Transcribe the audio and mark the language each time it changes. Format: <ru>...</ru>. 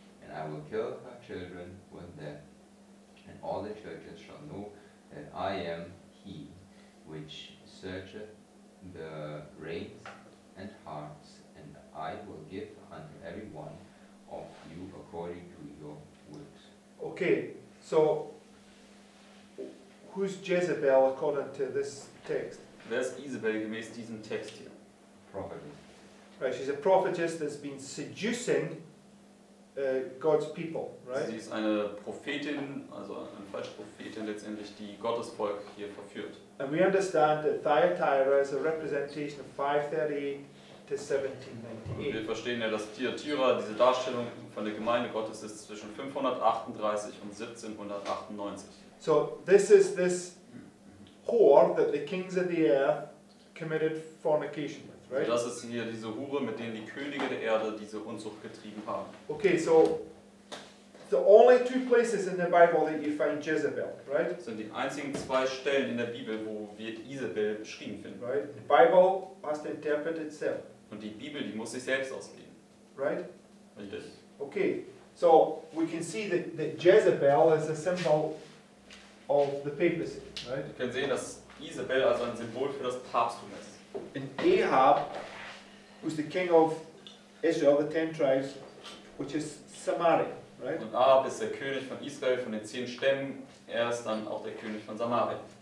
<en>And I will kill her children with them. And all the churches shall know that I am he which searcheth the reins and hearts, and I will give unto every one of you according to your works. Okay, so who's Jezebel according to this text?</en> <de>Where's Jezebel gemäß diesem Text hier?</de> <en>Prophetess. Right, she's a prophetess that's been seducing God's people, right?</en> <de>Sie ist eine Prophetin, also eine falsche Prophetin letztendlich, die Gottes Volk hier verführt.</de> <en>And we understand that Thyatira is a representation of 538 to 1798.</en> <de>Und wir verstehen ja, dass Thyatira, diese Darstellung von der Gemeinde Gottes, ist zwischen 538 und 1798.</de> <en>So, this is this whore that the kings of the earth committed fornication with. Right.</en> <de>Das ist hier diese Hure, mit denen die Könige der Erde diese Unzucht getrieben haben.</de> <en>Okay, so the only two places in the Bible that you find Jezebel, right?</en> <de>Sind die einzigen zwei Stellen in der Bibel, wo wir Isabel beschrieben finden.</de> <en>Right? The Bible must interpret itself.</en> <de>Und die Bibel, die muss sich selbst auslegen.</de> <en>Right?</en> <de>Richtig.</de> <en>Okay, so we can see that, that Jezebel is a symbol of the papacy, right?</en> <de>Wir können sehen, dass Isabel also ein Symbol für das Papsttum ist.</de> <en>And Ahab was the king of Israel, the 10 tribes, which is Samaria, right?</en> <de>Und Ahab ist der König von Israel, von den 10 Stämmen. Er ist dann auch der König von Samaria.</de>